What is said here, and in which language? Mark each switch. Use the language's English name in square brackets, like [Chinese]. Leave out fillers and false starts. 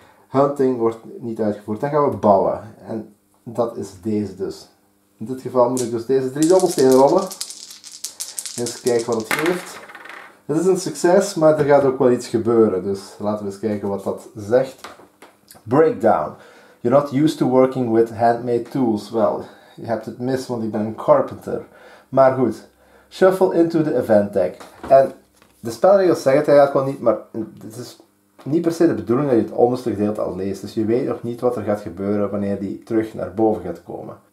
[Dutch] Hunting wordt niet uitgevoerd. Dan gaan we bouwen. En dat is deze dus. In dit geval moet ik dus deze drie dobbelstenen rollen. Eens kijken wat het geeft. Het is een succes, maar er gaat ook wel iets gebeuren. Dus laten we eens kijken wat dat zegt. [English] Breakdown. You're not used to working with handmade tools. [Dutch] Well, je hebt het mis, want ik ben een carpenter. Maar goed. [English] Shuffle into the event deck. [Dutch] En de spelregels zeggen het eigenlijk wel niet, maar het is niet per se de bedoeling dat je het onderste gedeelte al leest. Dus je weet nog niet wat er gaat gebeuren wanneer die terug naar boven gaat komen.